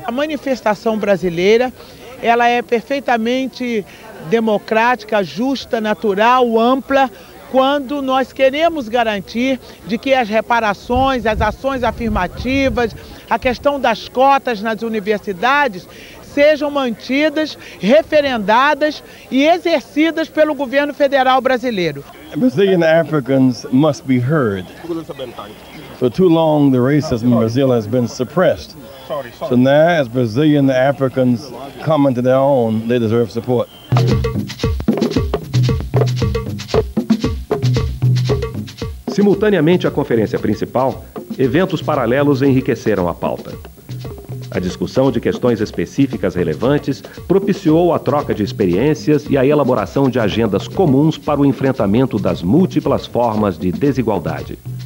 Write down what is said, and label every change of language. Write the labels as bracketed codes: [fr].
[pt] A manifestação brasileira, ela é perfeitamente democrática, justa, natural, ampla, quando nós queremos garantir de que as reparações, as ações afirmativas, a questão das cotas nas universidades sejam mantidas, referendadas e exercidas pelo governo federal brasileiro. [en] Brazilian Africans must be heard. For too long, the racism in Brazil has been suppressed. So now, as Brazilian Africans come into their own, they deserve support. [pt] Simultaneamente à conferência principal, eventos paralelos enriqueceram a pauta. A discussão de questões específicas relevantes propiciou a troca de experiências e a elaboração de agendas comuns para o enfrentamento das múltiplas formas de desigualdade.